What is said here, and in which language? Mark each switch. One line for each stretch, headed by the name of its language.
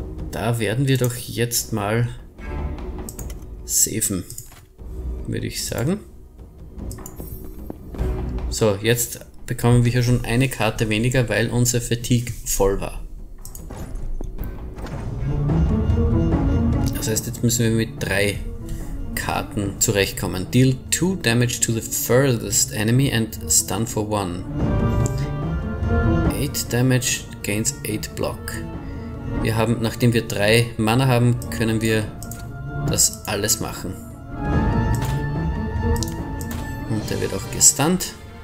German: Da werden wir doch jetzt mal saven, würde ich sagen. So, jetzt bekommen wir hier schon eine Karte weniger, weil unser Fatigue voll war. Das heißt, jetzt müssen wir mit 3 Karten zurechtkommen.
English: Deal 2 damage to the furthest enemy and stun for 1. 8 damage gains 8 block.
German: Wir haben, nachdem wir 3 Mana haben, können wir das alles machen. Und der wird auch gestunt.